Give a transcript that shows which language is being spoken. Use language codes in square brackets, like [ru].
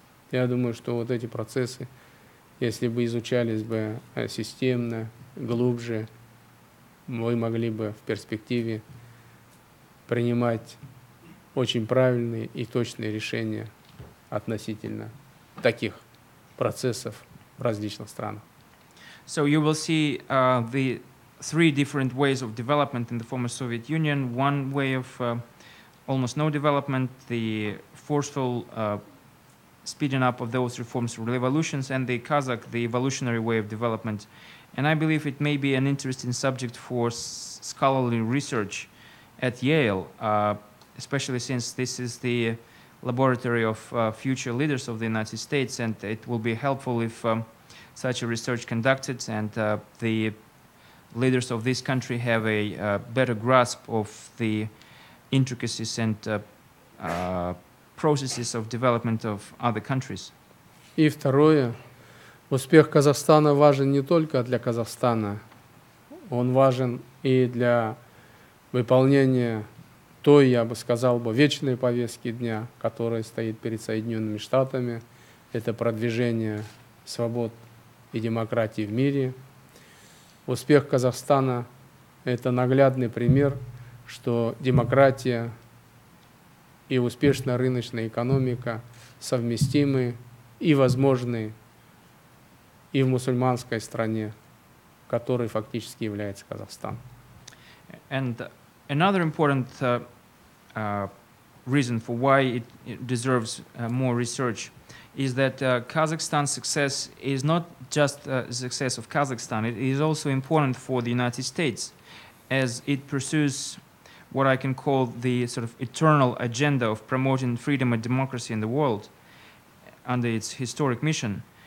[ru] Я думаю, что вот эти процессы, если бы изучались бы системно, глубже, мы могли бы в перспективе принимать очень правильные и точные решения относительно таких процессов в различных странах. [en] So you will see the three different ways of development in the former Soviet Union. One way of almost no development, the forceful speeding up of those reforms or revolutions, and the Kazakh, the evolutionary way of development. And I believe it may be an interesting subject for scholarly research at Yale, especially since this is the laboratory of future leaders of the United States, and it will be helpful if such a research conducted and the leaders of this country have a better grasp of the intricacies and processes of development of other countries. [ru] И второе, успех Казахстана важен не только для Казахстана, он важен и для выполнения той, я бы сказал, вечной повестки дня, которая стоит перед Соединенными Штатами. Это продвижение свобод и демократии в мире. Успех Казахстана – это наглядный пример, что демократия и успешная рыночная экономика совместимы и возможны и в мусульманской стране, которой фактически является Казахстан. [en] And another important reason for why it deserves more research is that Kazakhstan's success is not just the success of Kazakhstan. It is also important for the United States as it pursues what I can call the sort of eternal agenda of promoting freedom and democracy in the world under its historic mission.